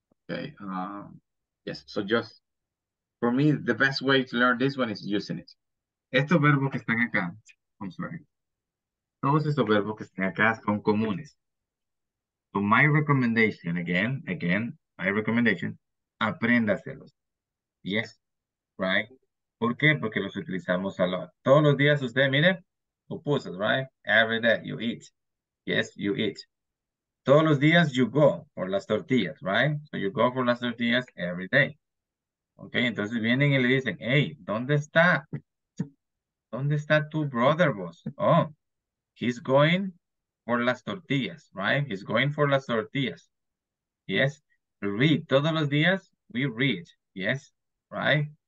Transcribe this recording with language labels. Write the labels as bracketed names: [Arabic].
[English] Okay, yes, so just, for me, the best way to learn this one is using it. [Spanish] Estos verbos que están acá, [English] I'm sorry. [Spanish] Todos estos verbos que están acá son comunes. [English] So my recommendation, again, my recommendation, [Spanish] apréndaselos. Yes, right? ¿Por qué? Porque los utilizamos [English] a lot. [Spanish] Todos los días usted, mire, [English] pupusas, right? Every day you eat. Yes, you eat. [Spanish] Todos los días [English] you go [Spanish] por las tortillas, right? [English] So you go for [Spanish] las tortillas [English] every day. [Spanish] Okay, entonces vienen y le dicen, hey, ¿dónde está? ¿Dónde está tu brother, boss? [English] Oh, he's going for [Spanish] las tortillas, right? [English] He's going for [Spanish] las tortillas. [English] Yes, read. [Spanish] Todos los días [English] we read. Yes, right?